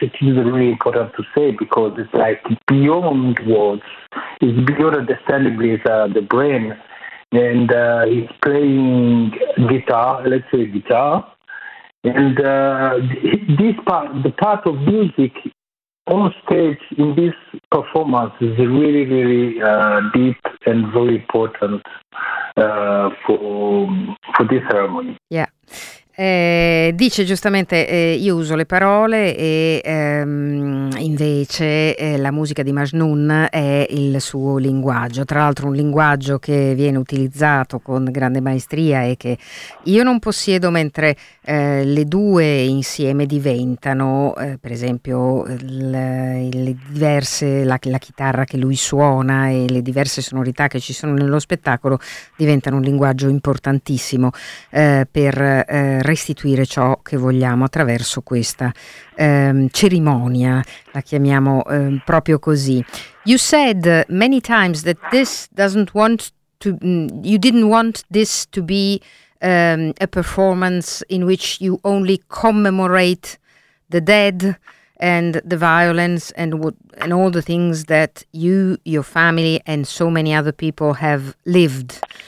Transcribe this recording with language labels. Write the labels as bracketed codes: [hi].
[en] It is really important to say, because it's like beyond words, it's beyond understanding with the brain, and he's playing guitar, electric guitar, and the part of music on stage in this performance is really, really deep and very important for this ceremony. Yeah. [it] Dice giustamente io uso le parole e invece la musica di Majnun è il suo linguaggio, tra l'altro un linguaggio che viene utilizzato con grande maestria e che io non possiedo, mentre le due insieme diventano per esempio la chitarra che lui suona e le diverse sonorità che ci sono nello spettacolo diventano un linguaggio importantissimo per restituire ciò che vogliamo attraverso questa cerimonia, la chiamiamo proprio così. [en] You said many times that this doesn't want to, you didn't want this to be a performance in which you only commemorate the dead and the violence and all the things that you, your family and so many other people have lived.